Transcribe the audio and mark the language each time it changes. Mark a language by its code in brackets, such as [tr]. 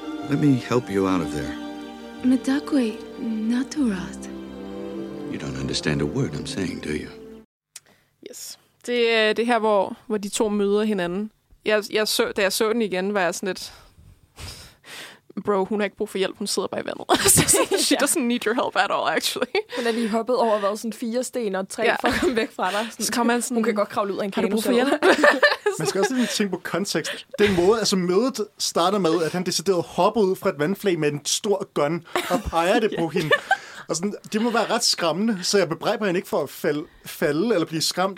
[en] Let me help you out of there. Medakwe naturat. You don't understand a word I'm saying, do you? Yes. [da] Det er det her, hvor de to møder hinanden. Da jeg så den igen, var jeg sådan lidt, bro, hun har ikke brug for hjælp, hun sidder bare i vandet. [en] She doesn't need your help at all, actually. [da] Hun er lige hoppet over, hvad, sådan fire sten og tre for at komme væk fra dig. Sådan, så kommer han sådan, hun kan godt kravle ud af en kæmpe. Har du brug for hjælp? Man skal også lige tænke på kontekst. Den måde, altså mødet starter med, at han decideret hopper ud fra et vandflag med en stor gun og peger det på hende. Og sådan, det må være ret skræmmende, så jeg bebrejder hende ikke for at falde eller blive skræmt.